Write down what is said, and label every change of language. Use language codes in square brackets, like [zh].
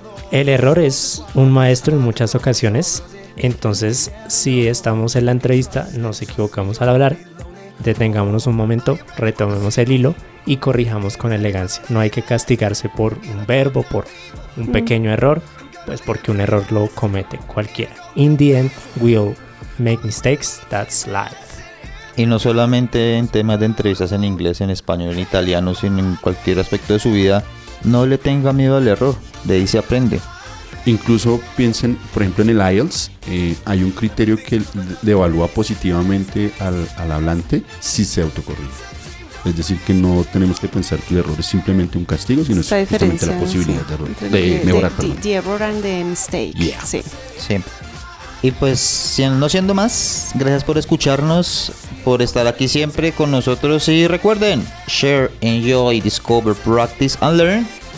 [es] El error es un maestro en muchas ocasiones. Entonces, si estamos en la entrevista, nos equivocamos al hablar, detengámonos un momento, retomemos el hilo y corrijamos con elegancia. No hay que castigarse por un verbo, por un pequeño error, pues porque un error lo comete cualquiera. [en] In the end, we'll make mistakes, that's life. [es] Y no solamente en temas de entrevistas en inglés, en español, en italiano, sino en cualquier aspecto de su vida, no le tenga miedo al error, de ahí se aprende. Incluso piensen, por ejemplo, en el IELTS, hay un criterio que le evalúa positivamente al hablante si se autocorrige. Es decir, que no tenemos que pensar que el error es simplemente un castigo, sino está es justamente la posibilidad de error, de mejorar. [en] The error and the mistake. Yeah. [es] Sí. Sí. Y pues, no siendo más, gracias por escucharnos, por estar aquí siempre con nosotros. Y recuerden, [en] share, enjoy, discover, practice and learn.